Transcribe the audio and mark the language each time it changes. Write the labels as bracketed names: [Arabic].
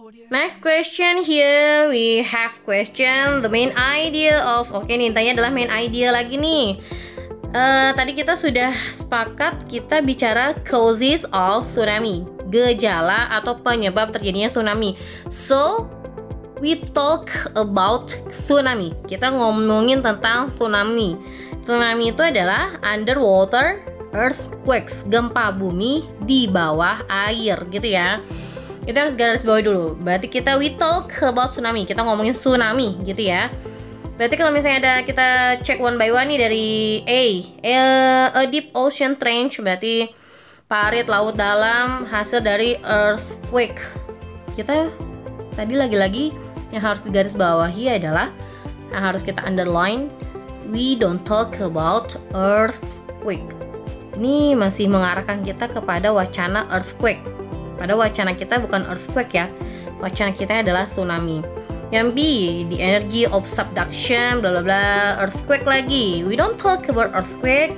[English] Next question here, we have question the main idea of. [Indonesian] Okay, nih tanya adalah main idea lagi nih. Tadi kita sudah sepakat kita bicara [English] causes of tsunami, [Indonesian] gejala atau penyebab terjadinya tsunami. [English] So we talk about tsunami. [Indonesian] Kita ngomongin tentang tsunami. Tsunami itu adalah [English] underwater earthquakes, [Indonesian] gempa bumi di bawah air, gitu ya. Itu harus garis bawah dulu. Berarti kita [English] we talk about tsunami. [Indonesian] Kita ngomongin tsunami, gitu ya. Berarti kalau misalnya ada kita cek [English] one by one [Indonesian] nih dari A [English] deep ocean trench, [Indonesian] berarti parit laut dalam hasil dari earthquake. Kita tadi lagi-lagi yang harus digaris bawahi adalah yang harus kita underline, [English] we don't talk about earthquake. [Indonesian] Ini masih mengarahkan kita kepada wacana earthquake. Pada wacana kita bukan earthquake ya, wacana kita adalah tsunami. Yang B, [English] the energy of subduction bla bla bla, earthquake lagi, we don't talk about earthquake.